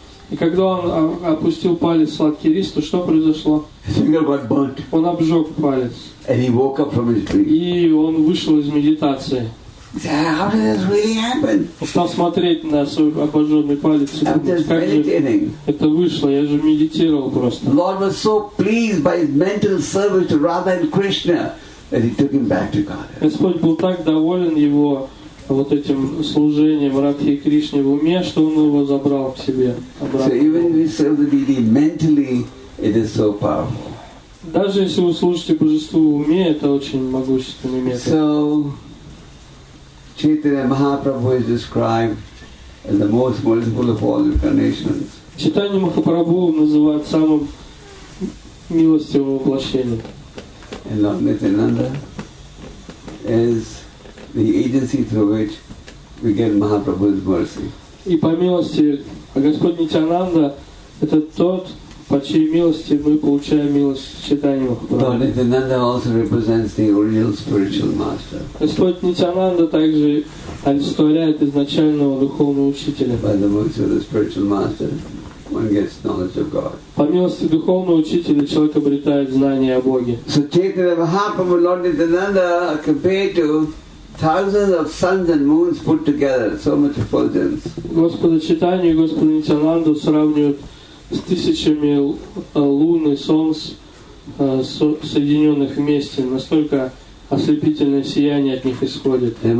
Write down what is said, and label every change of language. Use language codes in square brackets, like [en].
[ru] И когда он опустил палец в сладкий рис, то что произошло? Он обжег палец. [en] And he woke up from his dream. [ru] И он вышел из медитации. [en] How did this really happen? [ru] Он стал смотреть на свой обожженный палец и думать, как же это вышло, я же медитировал просто. [en] Lord was so pleased by his mental service to Radha and Krishna that he took him back to God. [ru] Господь был так доволен его вот этим служением Радхе и Кришне в уме, что он его забрал к себе обратно. [en] So even if we serve the deity mentally, it is so powerful. [ru] Даже если вы служите божеству в уме, это очень могущественный метод. [en] So Chaitanya Mahaprabhu is described as the most merciful of all incarnations. [ru] Chaitanya Mahaprabhu называют самым милостивым воплощением. [en] And Lord Nityananda is the agency through which we get Mahaprabhu's mercy. [ru] И по милости Господь Нитянанда это тот, по чьей милости мы получаем милость Чайтанья Махапрабху. [en] Lord Nityananda also represents the original spiritual master. [ru] Господь Нитянанда также олицетворяет изначального духовного учителя. [en] By the mercy of the spiritual master, one gets knowledge of God. [ru] По милости духовного учителя человек обретает знание о Боге. [en] So Chaitanya Mahaprabhu, Lord Nityananda are compared to thousands of suns and moons put together, so much effulgence. [ru] Господа Чайтанья и Господа Нитянанду сравнивают с тысячами лун и солнц, соединенных вместе, настолько ослепительное сияние от них исходит.